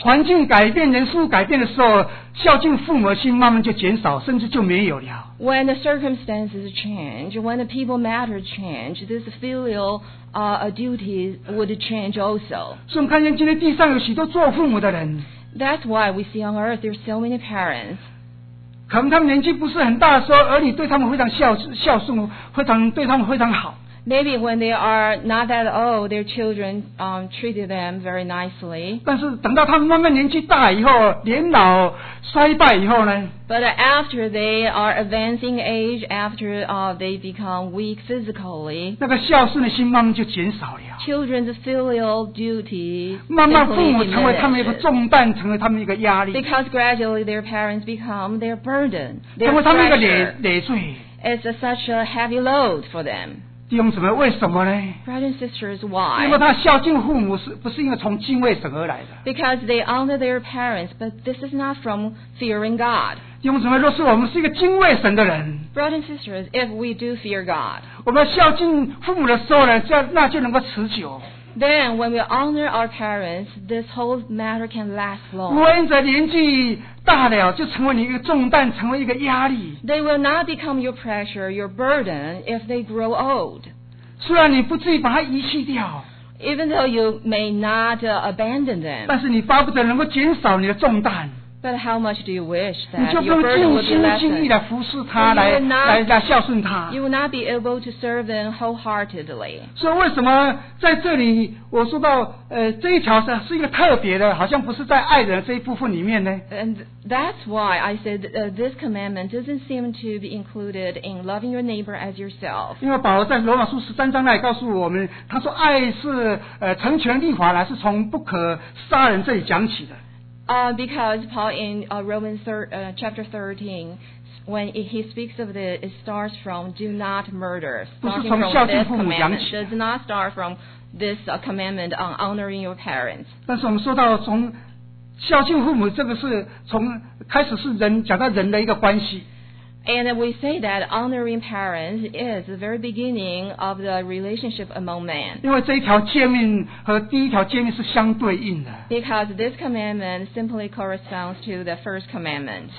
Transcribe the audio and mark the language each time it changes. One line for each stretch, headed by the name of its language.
Chinese: 环境改变，人数改变的时候，孝敬父母心慢慢就减少，甚至就没有了。
English: When the circumstances change, when the people matter change, this filial duty would change also.
Chinese: 所以我们看见今天地上有许多做父母的人。
English: That's why we see on earth there are so many parents.
Chinese: 可能他们年纪不是很大的时候，儿女对他们非常孝顺，非常对他们非常好。
English: Maybe when they are not that old, their children treated them very nicely.
Chinese: 但是等到他们慢慢年纪大以后，年老衰败以后呢？
English: But after they are advancing age, after they become weak physically,
Chinese: 那个孝顺的心慢慢就减少了。
English: Children's filial duty
Chinese: 慢慢父母成为他们一个重担，成为他们一个压力。
English: Because gradually their parents become their burden, their
Chinese: 成为他们一个累赘。
English: It's such a heavy load for them.
Chinese: 弟兄姊妹，为什么呢？
English: Brothers and sisters, why?
Chinese: 因为他孝敬父母是不是因为从敬畏神而来的？
English: Because they honor their parents, but this is not from fearing God.
Chinese: 弟兄姊妹，若是我们是一个敬畏神的人，
English: Brothers and sisters, if we do fear God,
Chinese: 我们孝敬父母的时候呢，那就能够持久。
English: Then when we honor our parents, this whole matter can last long.
Chinese: 不然在年纪大了，就成为你一个重担，成为一个压力。
English: They will not become your pressure, your burden, if they grow old.
Chinese: 虽然你不至于把它遗弃掉。
English: Even though you may not abandon them.
Chinese: 但是你巴不得能够减少你的重担。
English: But how much do you wish that your burden would be lessened?
Chinese: 你就不能尽心尽意地服侍他，来孝顺他。
English: You will not be able to serve them wholeheartedly.
Chinese: 所以为什么在这里我说到这一条是一个特别的，好像不是在爱人这一部分里面呢？
English: And that's why I said this commandment doesn't seem to be included in loving your neighbor as yourself.
Chinese: 因为保罗在罗马书十三章那里告诉我们，他说爱是成全律法，乃是从不可杀人这里讲起的。
English: Because Paul in Romans chapter 13, when he speaks of this, it starts from do not murder, starting from this commandment. It does not start from this commandment on honoring your parents.
Chinese: 但是我们说到从孝敬父母，这个是从开始是人讲到人的一个关系。
English: And we say that honoring parents is the very beginning of the relationship among men.
Chinese: 因为这一条诫命和第一条诫命是相对应的。
English: Because this commandment simply corresponds to the first commandment.